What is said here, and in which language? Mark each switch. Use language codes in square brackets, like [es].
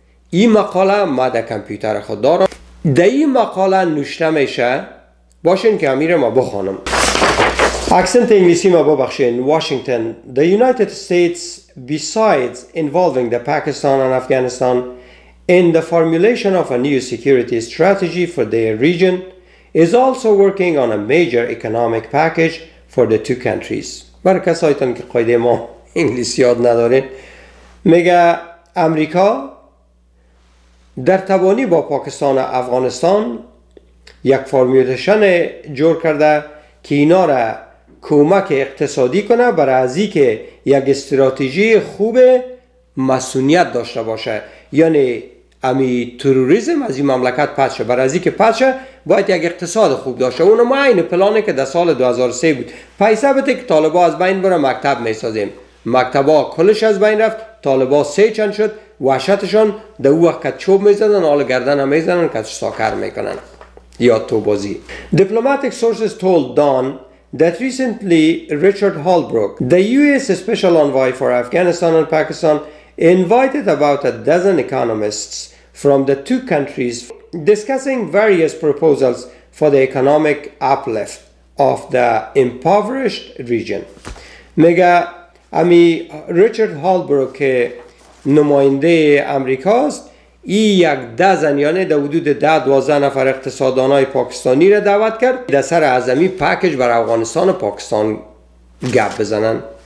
[fa] این مقاله ما در کمپیوتر خود دارم. در این مقاله نوشته میشه، باشین که امیر ما بخوانم، اکسنت انگلیسی ما ببخشین. [en] Washington: The United States, besides involving the Pakistan and Afghanistan in the formulation of a new security strategy for their region, is also working on a major economic package for the two countries. [fa] برای کسایتان که قایده ما انگلیسی یاد ندارین، میگه امریکا در تبانی با پاکستان و افغانستان یک فرمیوتشن جور کرده که اینا را کمک اقتصادی کنه برای از این که یک استراتژی خوب مسئولیت داشته باشه، یعنی امی تروریسم از این مملکت پدشه، برای از این که پدشه باید یک اقتصاد خوب داشته. اونم این پلانه که در سال 2003 بود، پیسه بده که طالبا از بین بره مکتب میسازیم، مکتبا کلش از بین رفت، طالبا سه چند شد، وحشتشان در او وقت که چوب میزدن حال گردن هم میزنن که ساکر میکنن یا توبازی. [en] Diplomatic sources told Don that recently Richard Holbrooke, the U.S. Special Envoy for Afghanistan and Pakistan, invited about a dozen economists from the two countries discussing various proposals for the economic uplift of the impoverished region. [fa] میگه امی ریچارد هالبرو که نماینده امریکاست ای یک دزن یعنی در حدود ده دوازده نفر اقتصاددانای پاکستانی را دعوت کرد در سر از امی پکیج بر افغانستان و پاکستان گپ بزنن.